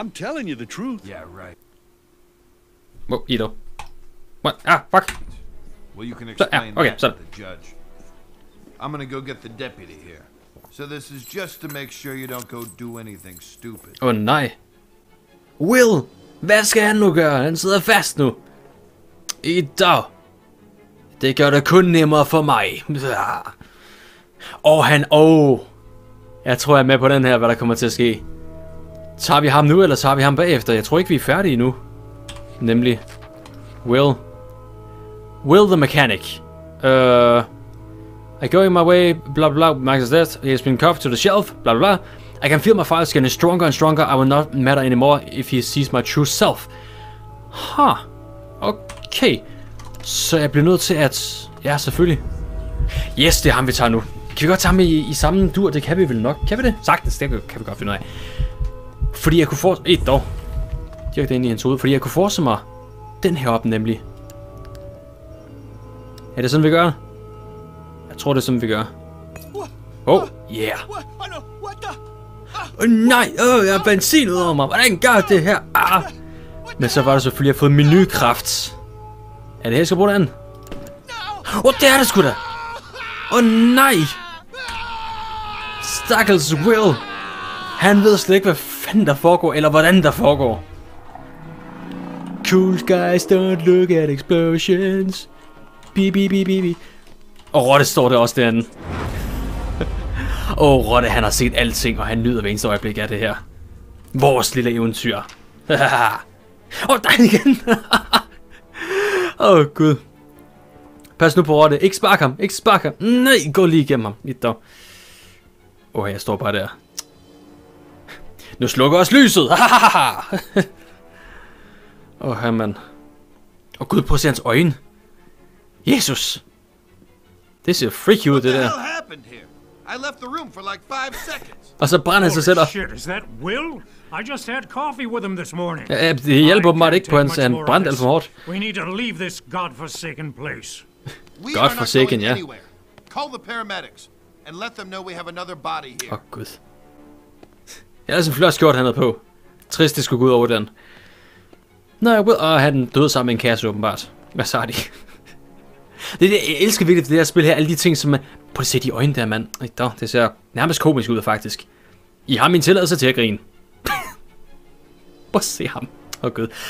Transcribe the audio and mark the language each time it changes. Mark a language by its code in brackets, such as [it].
[en] I'm telling you the truth. Yeah, right. [da] Hvor, [en] Ido? What? Ah, fuck. Well, you can explain [da] ja, okay, [en] that to the judge. I'm gonna go get the deputy here. So this is just to make sure you don't go do anything stupid. [da] Oh nej. Will, hvad skal han nu gøre? Han sidder fast nu. I dag. Det gør det kun nemmere for mig. Og han, jeg tror jeg er med på den her, hvad der kommer til at ske. Tager vi ham nu, eller tager vi ham bagefter? Jeg tror ikke, vi er færdige nu. Nemlig. Will. [en] Will the mechanic. I go in my way, blah blah blah, Max is dead, he has been cuffed to the shelf, blah blah blah. I can feel my fire getting stronger and stronger, I will not matter anymore if he sees my true self. Huh. Okay. [da] Så jeg bliver nødt til at... Ja, selvfølgelig. Yes, det er ham, vi tager nu. Kan vi godt tage ham i samme dur? Det kan vi vel nok. Kan vi det? Sagtens, det kan vi godt finde ud af. Fordi jeg kunne forse... Et dog. Direkte ind i hans hoved. Fordi jeg kunne forse mig den her op, nemlig. Er det sådan, vi gør? Jeg tror, det er sådan, vi gør. [en] Oh, yeah. [da] Nej, jeg har benzin ud over mig. Hvordan gør det her? Ah. Men så var det selvfølgelig, at jeg har fået menukraft. Er det her, jeg skal bruge den? Det er det sgu da. Nej. Stakkels Will. Han ved slet ikke, hvad fanden der foregår, eller hvordan der foregår. [en] Cool guys, don't look at explosions. [da] Bip, bip, bip, bip. Og Rotte står der også derinde. Åh, Rotte, han har set alting, og han nyder ved eneste øjeblik af det her. Vores lille eventyr. der igen. gud. Pas nu på Rotte. Ikke spark ham. Ikke spark ham. Nej, gå lige igennem ham. Lidt dog. Jeg står bare der. Nu slukker også lyset. her, mand. Gud, prøv at se hans øjne. Jesus. Det ser freaky ud, det der. [en] I left the room for like 5 seconds. [da] Og så brænder sig selv. [en] Shit, is that Will? I just had coffee with him this morning. [da] Det hjælper mig ikke på hans, han brændte alt for hårdt. [en] We need to leave this godforsaken place. [da] Godforsaken, ja. [en] Call the paramedics and let them know we have another body here. [da] Gud. Jeg har sådan flot skjort han havde på. Trist, det skulle gå ud over den. Nå, jeg ved, han døde sammen med en kasse, åbenbart. Hvad sagde de? Det er det, jeg elsker virkelig det her spil her, alle de ting, som man... Prøv at se de øjne der, mand. Det ser nærmest komisk ud, faktisk. I har min tilladelse til at grine. Prøv at se ham. Gud.